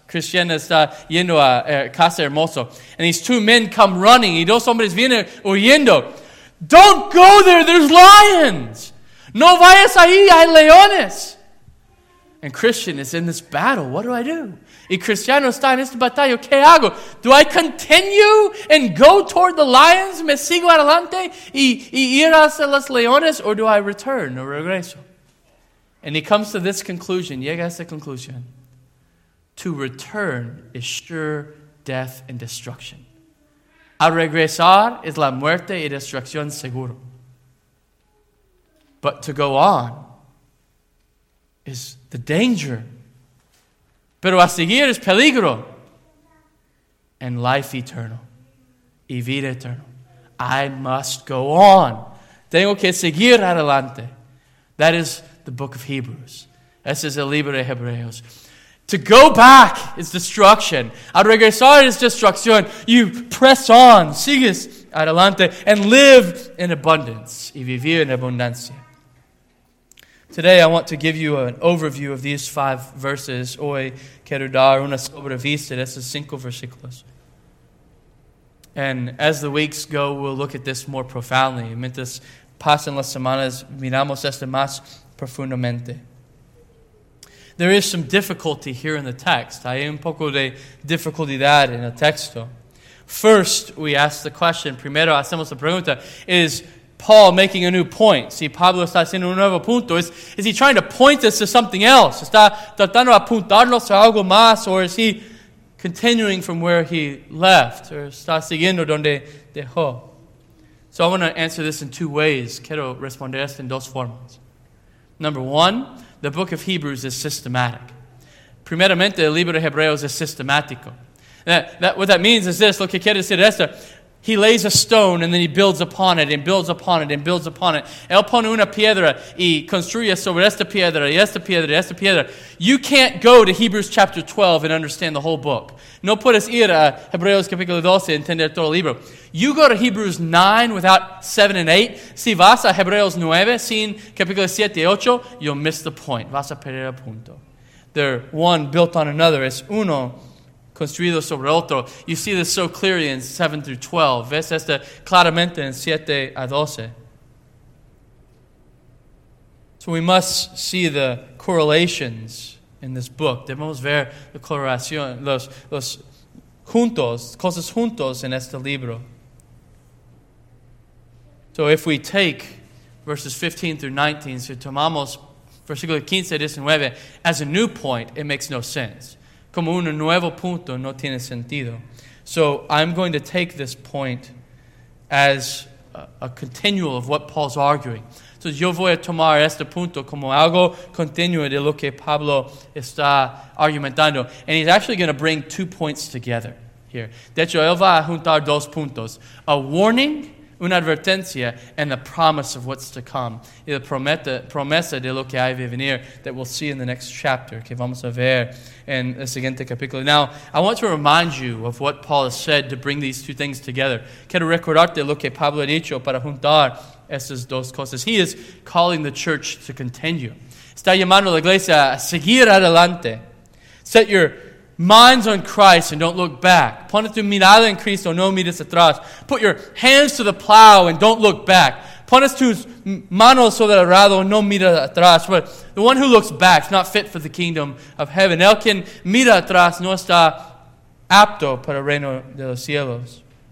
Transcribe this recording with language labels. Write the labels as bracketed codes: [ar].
[es] Christian está yendo a casa hermoso. [en] And these two men come running. [es] Y dos hombres vienen huyendo. [en] Don't go there. There's lions. [es] No vayas ahí. Hay leones. [en] And Christian is in this battle. What do I do? [es] Y Cristiano está en esta batalla. ¿Qué hago? [en] Do I continue and go toward the lions? [es] ¿Me sigo adelante y ir hacia los leones? [en] Or do I return or regreso? And he comes to this conclusion. [es] Llega a esta conclusión. [en] To return is sure death and destruction. [es] A regresar es la muerte y destrucción seguro. [en] But to go on is the danger [es] Pero a seguir es peligro. [en] And life eternal. [es] Y vida eterna. [en] I must go on. [es] Tengo que seguir adelante. [en] That is the book of Hebrews. [es] Ese es el libro de Hebreos. [en] To go back is destruction. [es] Al regresar es destrucción. [en] You press on. [es] Sigues adelante. [en] And live in abundance. [es] Y vivir en abundancia. [en] Today I want to give you an overview of these five verses. [es] Hoy quiero dar una sobrevista de esos cinco versículos. [en] And as the weeks go, we'll look at this more profoundly. [es] Mientras pasan las semanas, miramos esto más profundamente. [en] There is some difficulty here in the text. [es] Hay un poco de dificultad en el texto. [en] First, we ask the question, [es] primero hacemos la pregunta, [en] is Paul making a new point? [es] Si Pablo está haciendo un nuevo punto, [en] is he trying to point us to something else? [es] ¿Está tratando de apuntarnos a algo más? [en] Or is he continuing from where he left? [es] ¿Or está siguiendo donde dejó? [en] So I want to answer this in two ways. [es] Quiero responder esto en dos formas. [en] Number one, the book of Hebrews is systematic. [es] Primeramente, el libro de Hebreos es sistemático. [en] What that means is this. [es] Lo que quiere decir esto. [en] He lays a stone and then he builds upon it and builds upon it and builds upon it. [es] Él pone una piedra y construye sobre esta piedra y esta piedra y esta piedra. [en] You can't go to Hebrews chapter 12 and understand the whole book. [es] No puedes ir a Hebreos capítulo 12 y entender todo el libro. [en] You go to Hebrews 9 without 7 and 8. [es] Si vas a Hebreos 9 sin capítulo 7 y 8, [en] you'll miss the point. [es] Vas a perder el punto. [en] They're one built on another. [es] Es uno construido sobre otro. [en] You see this so clearly in 7 through 12. [es] Ves esto claramente en 7 a 12. [en] So we must see the correlations in this book. [es] Debemos ver la correlación, los juntos, cosas juntos en este libro. [en] So if we take verses 15 through 19, [es] si tomamos versículo 15 a 19 [en] as a new point, it makes no sense. [es] Como un nuevo punto, no tiene sentido. [en] So I'm going to take this point as a continual of what Paul's arguing. [es] So yo voy a tomar este punto como algo continuo de lo que Pablo está argumentando. [en] And he's actually going to bring two points together here. [es] De hecho, él va a juntar dos puntos. [en] A warning, [es] una advertencia, [en] and the promise of what's to come. [es] Y la promesa de lo que hay de venir [en] that we'll see in the next chapter, [es] que vamos a ver en el siguiente capítulo. [en] Now, I want to remind you of what Paul has said to bring these two things together. [es] Quiero recordarte lo que Pablo ha dicho para juntar esas dos cosas. [en] He is calling the church to continue. [es] Está llamando a la iglesia a seguir adelante. [en] Set your minds on Christ and don't look back. [es] Pon tu mirada en Cristo, no mires atrás. [en] Put your hands to the plow and don't look back. [es] Pon tus manos sobre el arado, no mires atrás. [en] But the one who looks back is not fit for the kingdom of heaven. [es] El quien mira atrás no está apto para el reino de los cielos.